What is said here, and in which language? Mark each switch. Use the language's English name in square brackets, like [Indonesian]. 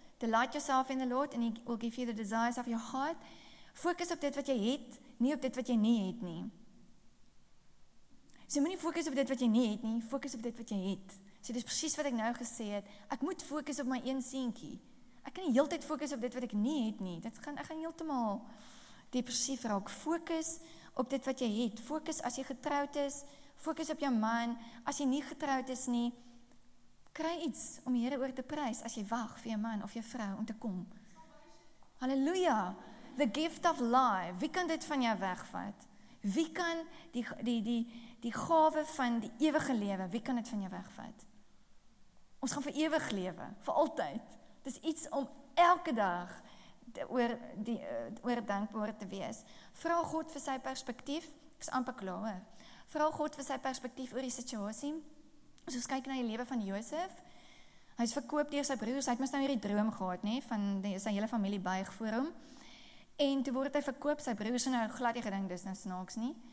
[English] Delight yourself in the Lord and he will give you the desires of your heart. [Afrikaans] Focus op dit wat jy het, nie op dit wat jy nie het nie. So moenie focus op dit wat jy nie het nie, focus op dit wat jy het. So dis precies wat ek nou gesê het, ek moet focus op my een seentjie. Ek kan nie heeltyd focus op dit wat ek nie het nie, ek gaan heeltemal depressief raak. Focus op dit wat jy het, focus as jy getroud is, focus op jou man, as jy nie getroud is nie, kry iets om die Here oor te prys as jy wag vir jou man of jou vrou om te kom. Halleluja! [English] The gift of life. [Afrikaans] Wie kan dit van jou wegvat? Wie kan die gawe van die ewige lewe, wie kan dit van jou wegvat? Ons gaan vir ewig lewe, vir altyd. Het is iets om elke dag oor dankbaar te wees. Vra God vir sy perspektief, ek is amper klaar hoor. Vra God vir sy perspektief oor die situasie, as ons kyk na die lewe van Josef, hy is verkoop deur sy broers, hy het mis nou hierdie droom gehad, nie, van sy hele familie buig voor hom, En toe word hy verkoop, sy broers en hy glad die gedink, dis nou snaaks nie.